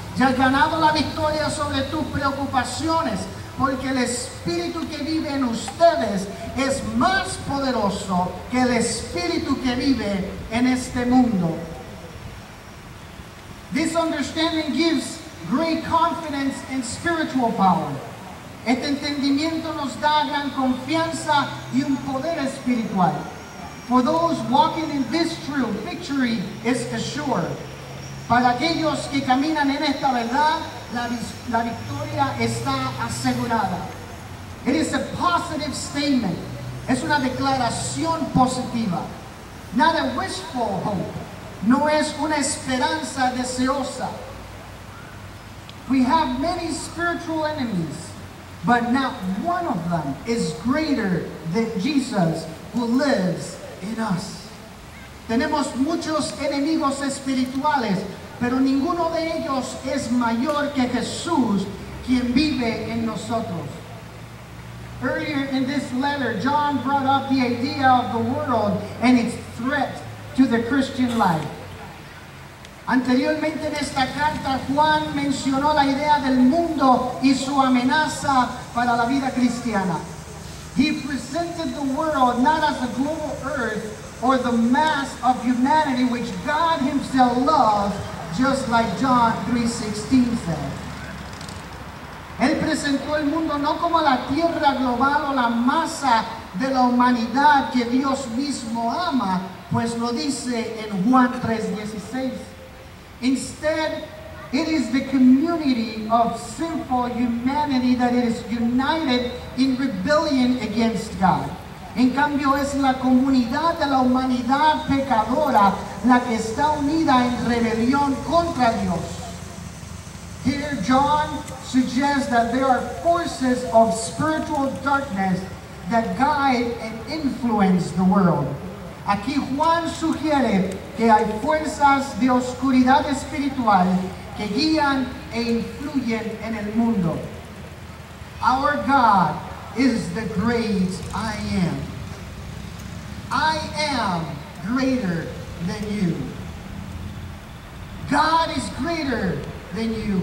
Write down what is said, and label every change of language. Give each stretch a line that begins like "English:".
Spanish: Ya has ganado la victoria sobre tus preocupaciones. Porque el Espíritu que vive en ustedes es más poderoso que el Espíritu que vive en este mundo.
English: This understanding gives great confidence and spiritual power.
Spanish: Este entendimiento nos da gran confianza y un poder espiritual.
English: For those walking in this truth, victory is assured.
Spanish: Para aquellos que caminan en esta verdad, la victoria está asegurada.
English: It is a positive statement.
Spanish: Es una declaración positiva.
English: Not a wishful hope.
Spanish: No es una esperanza deseosa.
English: We have many spiritual enemies. But not one of them is greater than Jesus who lives in us.
Spanish: Tenemos muchos enemigos espirituales, pero ninguno de ellos es mayor que Jesús, quien vive en nosotros.
English: Earlier in this letter, John brought up the idea of the world and its threat to the Christian life.
Spanish: Anteriormente en esta carta, Juan mencionó la idea del mundo y su amenaza para la vida cristiana.
English: He presented the world not as a global earth or the mass of humanity which God himself loves, just like John 3:16 said.
Spanish: Él presentó el mundo no como la tierra global o la masa de la humanidad que Dios mismo ama, pues lo dice en Juan 3:16.
English: Instead, it is the community of sinful humanity that is united in rebellion against God.
Spanish: En cambio, es la comunidad de la humanidad pecadora la que está unida en rebelión contra Dios.
English: Here, John suggests that there are forces of spiritual darkness that guide and influence the world.
Spanish: Aquí Juan sugiere que hay fuerzas de oscuridad espiritual que guían e influyen en el mundo.
English: Our God is the great I am. I am greater than you. God is greater than you.